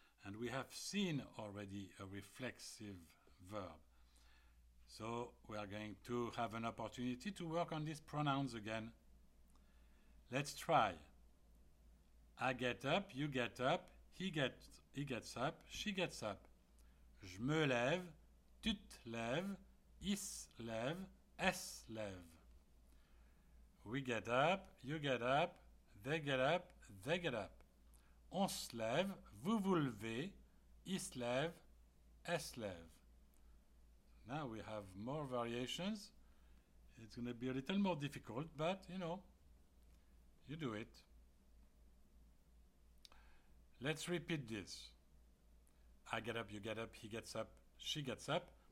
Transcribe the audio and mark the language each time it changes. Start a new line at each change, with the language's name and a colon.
English: And we have seen already a reflexive verb. So we are going to have an opportunity to work on these pronouns again. Let's try. I get up, you get up, he gets up, she gets up.
French: Je me lève. Tu te lèves, il se lève, elle se lève.
English: We get up, you get up, they get up, they get up.
French: On se lève, vous vous levez, il se lève, elle se lève.
English: Now we have more variations. It's going to be a little more difficult, but you know, you do it. Let's repeat this. I get up, you get up, he gets up, she gets up.